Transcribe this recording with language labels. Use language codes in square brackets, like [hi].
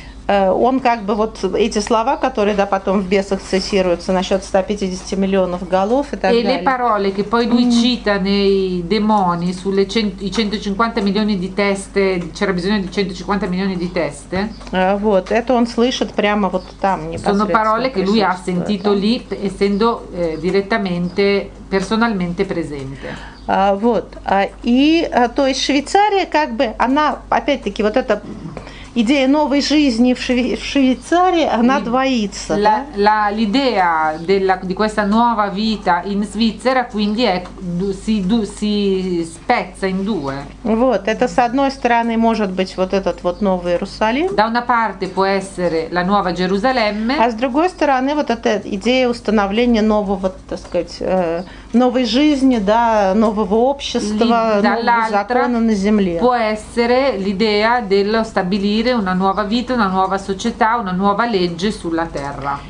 [ru] Он как бы вот эти слова, которые да потом в бесах цитируются насчет 150 миллионов голов и так далее. [it] E le parole che poi lui cita nei demoni sulle 150 milioni di teste, c'era bisogno di 150 milioni di teste. [ru] Вот, это он слышит прямо вот там. [it] Sono parole che lui ha sentito lì, essendo direttamente, personalmente presente. [ru] Вот, и то есть Швейцария как бы она опять-таки вот это идея новой жизни в Швейцарии, она двоится, да? [it] L'idea di questa nuova vita in Svizzera, quindi è si spezza in due. [ru] Вот, это с одной стороны может быть вот этот вот новый Иерусалим. [it] Da una parte può essere la nuova Gerusalemme. [ru] А с другой стороны вот эта идея установления нового, так сказать, новой жизни, да, нового общества, нового закона на земле. [it] Può essere l'idea dello stabilire una nuova vita, una nuova società, una nuova legge sulla terra.